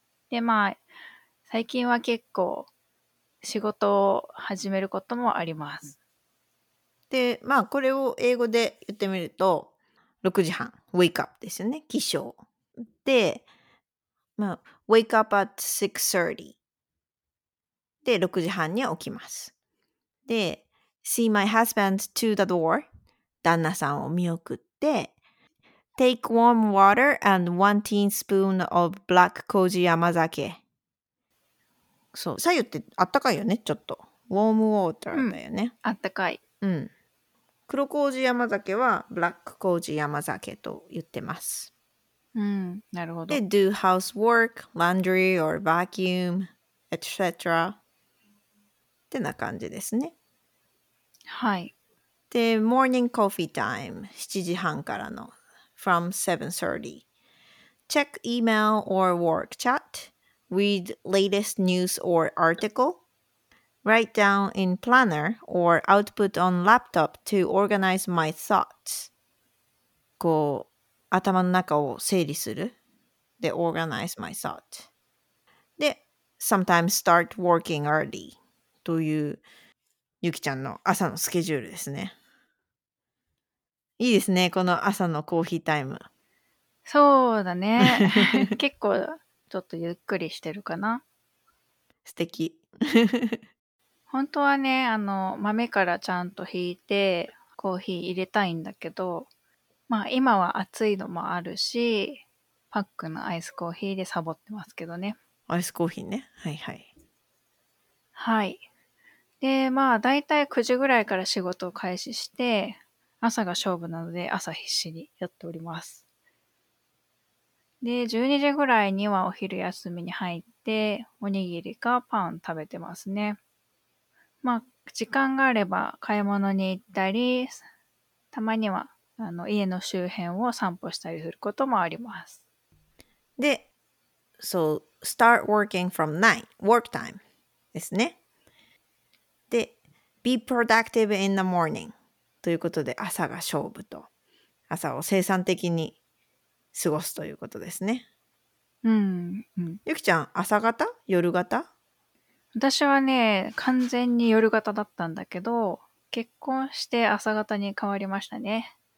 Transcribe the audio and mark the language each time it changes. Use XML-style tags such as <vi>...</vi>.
<ja>で、まあ最近は結構仕事を始めることもあります。で、まあこれを英語で言ってみると6時半 wake up ですよね、起床で、まあ、</ja> <en>wake up at 6:30</en> <ja>で6時半に起きます。</ja> <en>で、See my husband to the door.</en> <ja>旦那さんを見送って</ja> <en>Take warm water and one teaspoon of black 麹甘酒。</en> <ja>そう、白湯ってあったかいよね、ちょっと</ja> <en>Warm water</en> <ja>だよね、うん、あったかい、うん、黒麹甘酒は black 麹甘酒と言ってます。うん、なるほど。</ja> <en>で、Do housework, laundry or vacuum, etc.</en> <ja>ってな感じですね。はい。で、モーニングコーヒータイム、7時半からの、</ja> <en>from 7:30. Check email or work chat, read latest news or article, write down in planner or output on laptop to organize my thoughts.</en> <ja>こう、頭の中を整理する。</ja> <en>で、organize my thoughts. で、sometimes start working early.</en> <ja>という、ゆきちゃんの朝のスケジュールですね。いいですね、この朝のコーヒータイム。そうだね結構ちょっとゆっくりしてるかな。素敵本当はね、あの豆からちゃんと引いてコーヒー入れたいんだけど、まあ今は暑いのもあるし、パックのアイスコーヒーでサボってますけどね。アイスコーヒーね、はいはいはい。で、まあ、だいたい9時ぐらいから仕事を開始して、朝が勝負なので、朝必死にやっております。で、12時ぐらいにはお昼休みに入って、おにぎりかパン食べてますね。まあ、時間があれば買い物に行ったり、たまには、家の周辺を散歩したりすることもあります。</ja> <en>で、So, start working from 9, work time</en> <ja>ですね。で、</ja> <en>Be productive in the morning</en> <ja>ということで、朝が勝負と、朝を生産的に過ごすということですね。うん、うん、ゆきちゃん、朝型？夜型？私はね、完全に夜型だったんだけど、結婚して朝型に変わりましたね。</ja>